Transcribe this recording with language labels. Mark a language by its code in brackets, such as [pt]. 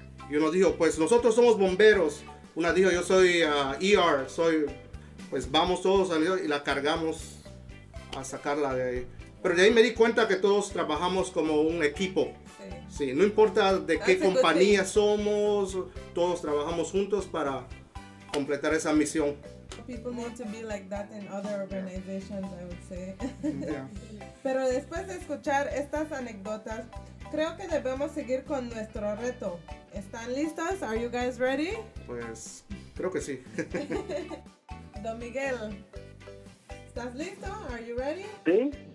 [es] Y uno dijo, pues nosotros somos bomberos. Una dijo, yo soy ER, soy, pues vamos todos a y la cargamos a sacarla de ahí. Pero de ahí me di cuenta que todos trabajamos como un equipo. Sí. Sí, no importa de qué compañía somos, todos trabajamos juntos para completar esa misión. [en] People need to be like that in other organizations, I would say. Yeah. [es] Pero después de escuchar estas anécdotas, creo que debemos seguir con nuestro reto. ¿Están listos? [en] Are you guys ready? [es] Pues, creo que sí. Don Miguel, ¿estás listo? [en] Are you ready? [es] Sí.